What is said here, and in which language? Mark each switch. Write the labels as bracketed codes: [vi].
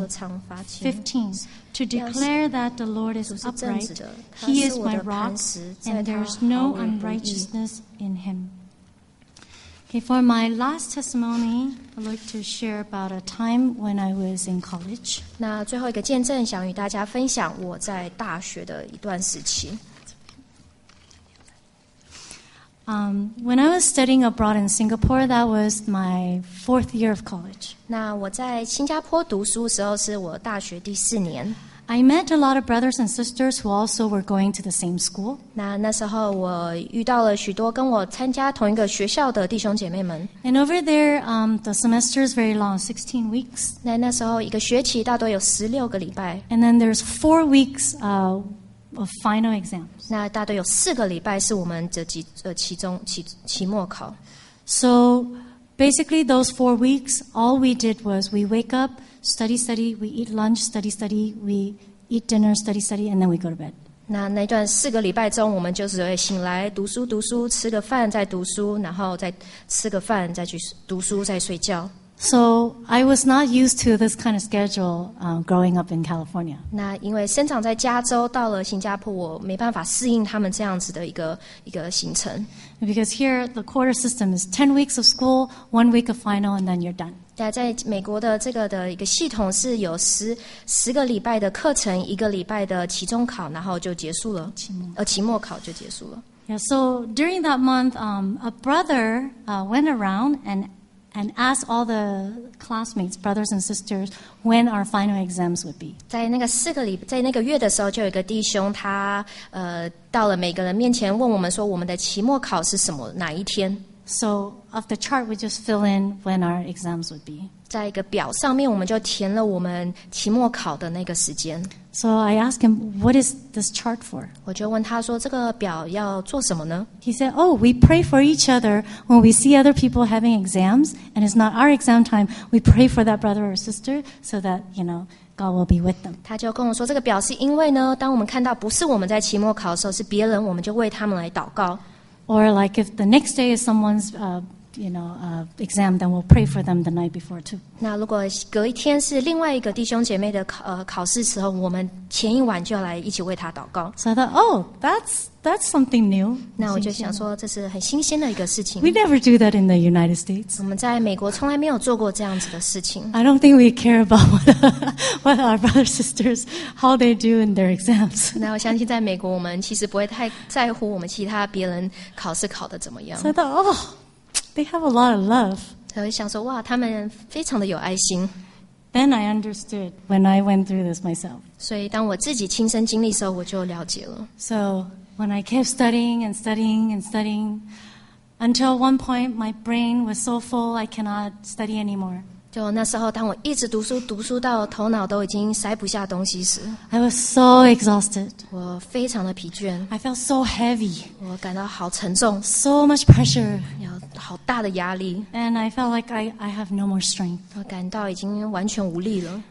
[en] 15. To declare that the Lord is upright, He is my rock, and there is no unrighteousness in Him. Okay, for my last testimony, I'd like to share about a time when I was in college. [zh] 那最后一个见证，想与大家分享我在大学的一段时期。 [en] When I was studying abroad in Singapore, that was my fourth year of college. [zh] 那我在新加坡读书时候是我大学第四年。 [en] I met a lot of brothers and sisters who also were going to the same school. [zh] 那时候我遇到了许多跟我参加同一个学校的弟兄姐妹们。 [en] And over there, the semester is very long, 16 weeks. [zh] 那时候一个学期大多有16个礼拜。 [en] And then there's 4 weeks of final exams. [zh] 那大多有四个礼拜是我们的期末考。 [en] So basically those 4 weeks, all we did was we wake up, study, we eat lunch, study, we eat dinner, study, and then we go to bed. [zh] 那段四个礼拜中，我们就是醒来读书，吃个饭再读书，然后再吃个饭再去读书再睡觉。 [en] So I was not used to this kind of schedule growing up in California. [zh] 那因为生长在加州，到了新加坡，我没办法适应他们这样子的一个行程。 [en] Because here the quarter system is 10 weeks of school, 1 week of final, and then you're done. [zh] 但在美国的这个的一个系统是有十个礼拜的课程，一个礼拜的期中考，然后就结束了，期末考就结束了。 [en] Yeah. So during that month, a brother went around and ask all the classmates, brothers and sisters, when our final exams would be. [zh] 在那个月的时候，就有一个弟兄，他到了每个人面前，问我们说，我们的期末考是什么哪一天 [en] ？So of the chart, we just fill in when our exams would be. [zh] 在一个表上面，我们就填了我们期末考的那个时间。 [en] So I asked him, "What is this chart for?" [zh] 我就问他说，这个表要做什么呢？ [en] He said, "Oh, we pray for each other when we see other people having exams, and it's not our exam time. We pray for that brother or sister so that you know God will be with them." [zh] 他就跟我说，这个表是因为呢，当我们看到不是我们在期末考的时候是别人，我们就为他们来祷告。 [en] Or like if the next day is someone's exam, then we'll pray for them the night before too. [zh] 那如果隔一天是另外一个弟兄姐妹的考试时候，我们前一晚就要来一起为他祷告。 [en] So I thought, that's something new. [zh] 那我就想说，这是很新鲜的一个事情。 [en] We never do that in the United States. [zh] 我们在美国从来没有做过这样子的事情。 [en] I don't think we care about what our brothers sisters how they do in their exams. [zh] 那我相信在美国，我们其实不会太在乎我们其他别人考试考的怎么样。 [en] So I thought, They have a lot of love. [zh] 所以想说哇，他们非常的有爱心。 [en] Then I understood when I went through this myself. [zh] 所以当我自己亲身经历的时候，我就了解了。 [en] So when I kept studying until one point my brain was so full I cannot study anymore. [zh] 就那时候，当我一直读书到头脑都已经塞不下东西时 [en] ，I was so exhausted. [zh] 我非常的疲倦。 [en] I felt so heavy. [zh] 我感到好沉重。 [en] So much pressure. [zh] 好大的压力。 [en] And I felt like I have no more strength. [zh] 我感到已经完全无力了。